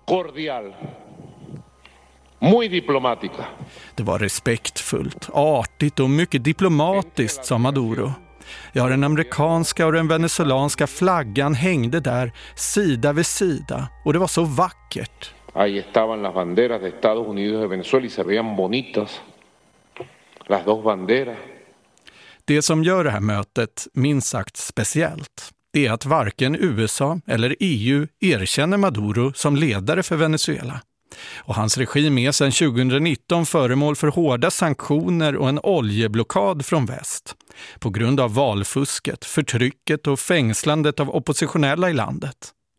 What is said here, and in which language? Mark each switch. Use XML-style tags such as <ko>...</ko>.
<es>Cordial. Muy diplomática.</es> <sv>Det var respektfullt, artigt och mycket diplomatiskt, sa Maduro. Ja, den amerikanska och den venezuelanska flaggan hängde där sida vid sida och det var så vackert.</sv> <es>Ahí estaban las banderas de Estados Unidos de Venezuela y se veían bonitas las dos banderas.</es> <sv>Det som gör det här mötet minst sagt speciellt är att varken USA eller EU erkänner Maduro som ledare för Venezuela. Och hans regim är sedan 2019 föremål för hårda sanktioner och en oljeblockad från väst på grund av valfusket, förtrycket och fängslandet av oppositionella i landet.</sv>